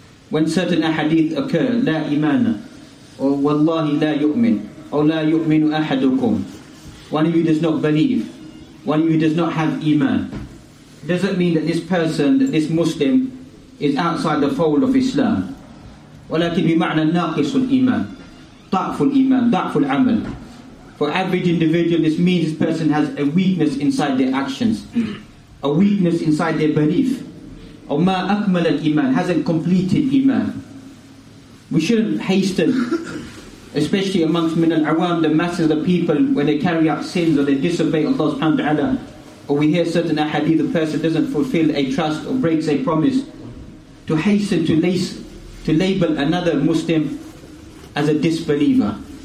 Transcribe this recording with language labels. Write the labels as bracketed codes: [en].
[en] When certain ahadith occur, la imana, or [ar] wallahi la yu'min, [en] or [ar] la yu'minu ahadukum, [en] one of you does not believe, one of you does not have iman, it doesn't mean that this person, that this Muslim, is outside the fold of Islam. [ar] ولكن بمعنى ناقص الإيمان ضعف الإيمان ضعف العمل. [en] For average individual, this means this person has a weakness inside their actions, a weakness inside their belief. [ar] أو ما أكمل الإيمان, [en] hasn't completed [ar] إيمان. [en] We shouldn't hasten, especially amongst [ar] من العوام, [en] the masses of the people, when they carry out sins or they disobey Allah subhanahu wa ta'ala, or we hear certain ahadith, the person doesn't fulfill a trust or breaks a promise, to hasten to label another Muslim as a disbeliever.